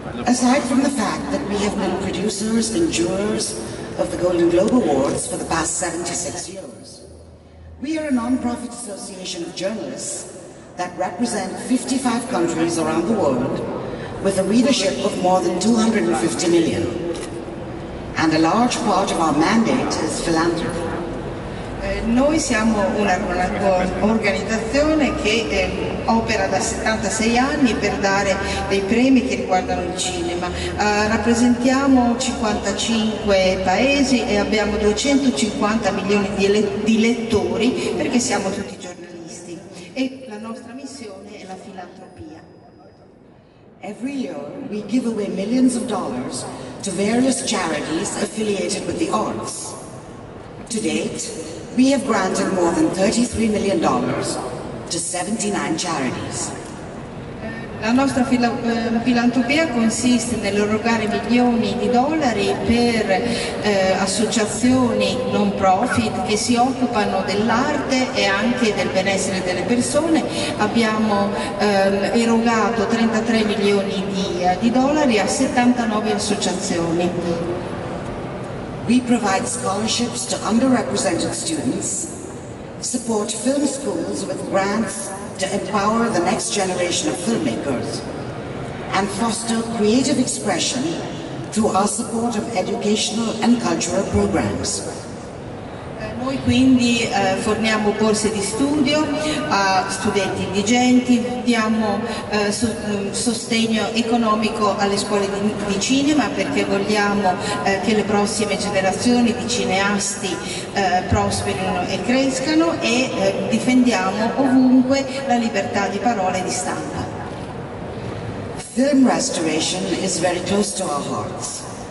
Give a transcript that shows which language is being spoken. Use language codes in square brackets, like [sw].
[en] Aside from the fact that we have been producers and jurors of the Golden Globe Awards for the past 76 years, we are a non-profit association of journalists that represent 55 countries around the world with a readership of more than 250 million. And a large part of our mandate is philanthropy. [it] Noi siamo un'organizzazione che opera da 76 anni per dare dei premi che riguardano il cinema. Rappresentiamo 55 paesi e abbiamo 250 milioni di lettori perché siamo tutti giornalisti. E la nostra missione è la filantropia. [en] Every year we give away millions of dollars to various charities affiliated with the arts. To date, we have granted more than $33 million to 79 charities. [it] La nostra filantropia consiste nell'erogare milioni di dollari per associazioni non profit che si occupano dell'arte e anche del benessere delle persone. Abbiamo erogato 33 milioni di dollari a 79 associazioni. [en] We provide scholarships to underrepresented students, support film schools with grants to empower the next generation of filmmakers, and foster creative expression through our support of educational and cultural programs. [it] noi quindi forniamo borse di studio a studenti indigenti, diamo sostegno economico alle scuole di cinema, perché vogliamo che le prossime generazioni di cineasti prosperino e crescano, e difendiamo ovunque la libertà di parola e di stampa. [en] Film restoration is very close to our hearts.